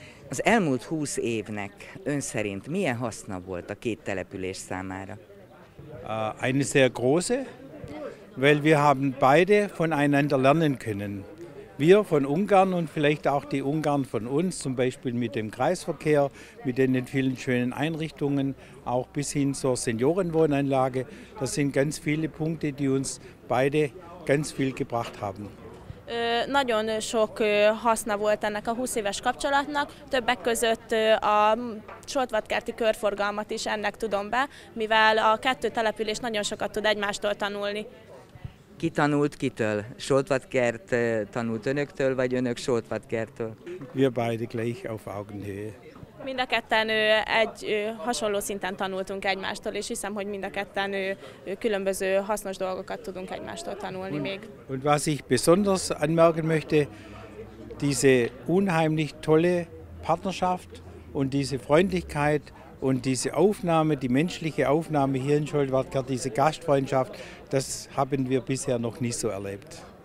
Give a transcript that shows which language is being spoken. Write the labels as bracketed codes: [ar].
[hu] Az elmúlt 20 évnek ön szerint milyen haszna volt a két település számára? [de] Eine sehr große, weil wir haben beide voneinander lernen können. Wir von Ungarn und vielleicht auch die Ungarn von uns, zum Beispiel mit dem Kreisverkehr, mit den vielen schönen Einrichtungen, auch bis hin zur Seniorenwohnanlage. Das sind ganz viele Punkte, die uns beide ganz viel gebracht haben. [hu] Nagyon sok haszna volt ennek a 20 éves kapcsolatnak, többek között a soltvadkerti körforgalmat is ennek tudom be, mivel a kettő település nagyon sokat tud egymástól tanulni. Ki tanult kitől? Soltvadkert tanult önöktől, vagy önök Soltvadkerttől? [de] Wir beide gleich auf Augenhöhe. [hu] Mind a ketten egy hasonló szinten tanultunk egymástól, és hiszem, hogy mind a ketten különböző hasznos dolgokat tudunk egymástól tanulni még. [de] Und was ich besonders anmerken möchte, diese unheimlich tolle Partnerschaft und diese Freundlichkeit und diese Aufnahme, die menschliche Aufnahme hier in Soltvadkert, diese Gastfreundschaft, das haben wir bisher noch nicht so erlebt.